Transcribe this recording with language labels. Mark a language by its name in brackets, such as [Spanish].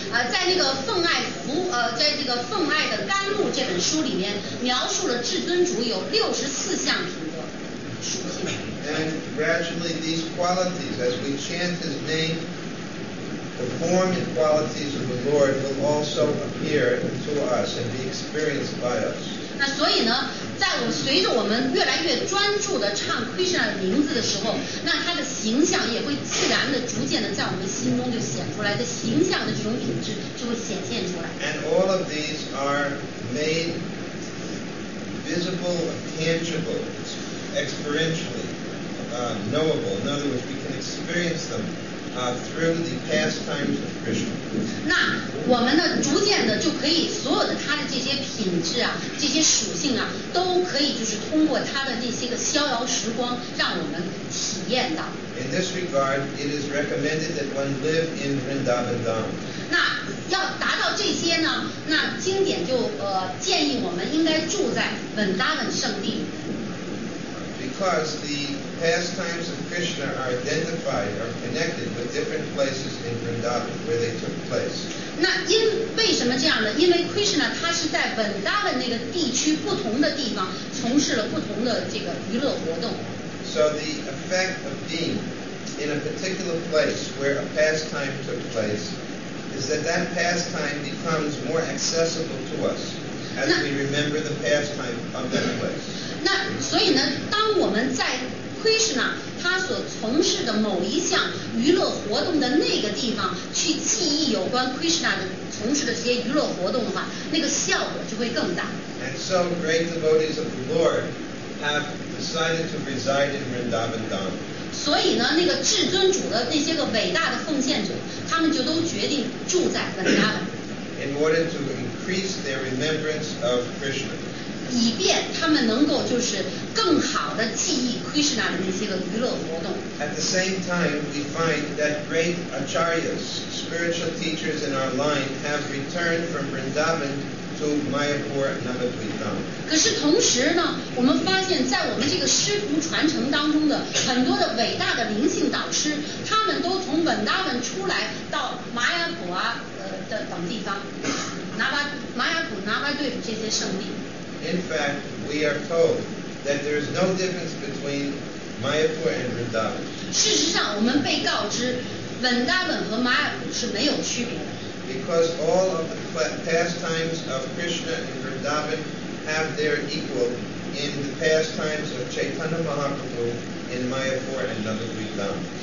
[Chinese] 在那个奉爱福在这个奉爱的甘露这本书里面，描述了至尊主有64项品格属性。 [English] And gradually these qualities, as we chant His name, the form and qualities of the Lord will also appear to us and be experienced by us. [Chinese] 那所以呢，在我随着我们越来越专注地唱 Krishna 的名字的时候，那他的形象也会自然地逐渐地在我们心中就显出来，这形象的这种品质就会显现出来。 [English] And all of these are made visible, tangible, experientially, knowable. In other words, we can experience them. Through the pastimes of Krishna. [Chinese] 那我们呢，逐渐的就可以所有的他的这些品质啊，这些属性啊，都可以就是通过他的那些个逍遥时光，让我们体验到。 [English] In this regard, it is recommended that one live in Vrindavan Dham. [Chinese] 那要达到这些呢，那经典就建议我们应该住在本达本圣地。 [English] Because the pastimes of Krishna are identified or connected with different places in Vrindavan where they took place. [Chinese] 那因为什么这样呢？因为 Krishna 他是在 Vrindavan 那个地区不同的地方从事了不同的这个娱乐活动。 [English] So the effect of being in a particular place where a pastime took place is that that pastime becomes more accessible to us as we remember the pastime of that place. [Chinese] 那所以呢，当我们在 Krishna 他所从事的某一项娱乐活动的那个地方去记忆有关 Krishna 的从事的这些娱乐活动的话，那个效果就会更大。 [English] And so great devotees of the Lord have decided to reside in Vrindavan Dham. [Chinese] 所以呢，那个至尊主的那些个伟大的奉献者，他们就都决定住在 Vrindavan。 [English] In order to increase their remembrance of Krishna. [Chinese] 以便他们能够就是更好的记忆 Krishna 的那些个娱乐活动。 [English] At the same time, we find that great acharyas, spiritual teachers in our line, have returned from Vrindavan to Mayapur Navadvipam. [Chinese] 可是同时呢，我们发现，在我们这个师徒传承当中的很多的伟大的灵性导师，他们都从 Vrindavan 出来到 Mayapur 的等地方，Mayapur Navadvipam 这些圣地。 [English] In fact, we are told that there is no difference between Mayapur and Vrindavan. [Chinese] 事实上，我们被告知，本达本和玛雅普是没有区别的。 [English] Because all of the pastimes of Krishna and Vrindavan have their equal in the pastimes of Chaitanya Mahaprabhu in Mayapur and Navadvipam.